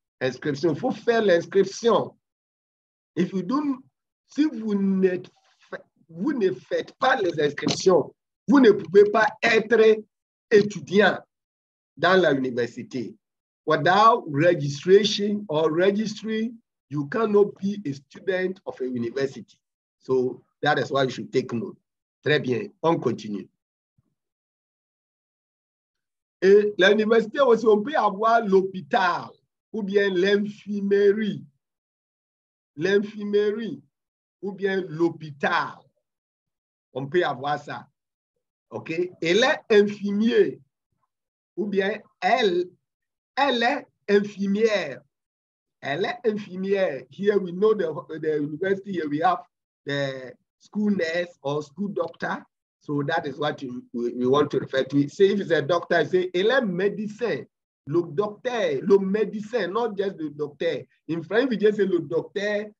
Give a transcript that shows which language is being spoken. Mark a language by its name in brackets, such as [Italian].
[French] Inscription, faut faire l'inscription. [English] If you don't, [French] si vous ne faites pas les inscriptions, vous ne pouvez pas être étudiant dans la université. [English] Without registration or registry, you cannot be a student of a university. So that is why you should take note. [French] Très bien, on continue. Et l'université aussi, on peut avoir l'hôpital ou bien l'infirmerie. L'infirmerie ou bien l'hôpital. On peut avoir ça. OK? Elle est infirmière ou bien elle est infirmière. Elle est infirmière. [English] Here we know the university, here we have the school nurse or school doctor. So that is what we want to refer to. Say if it's a doctor, say elle est médecin. [French] Le docteur, le médecin, [English] not just the doctor. In French, we just say le docteur.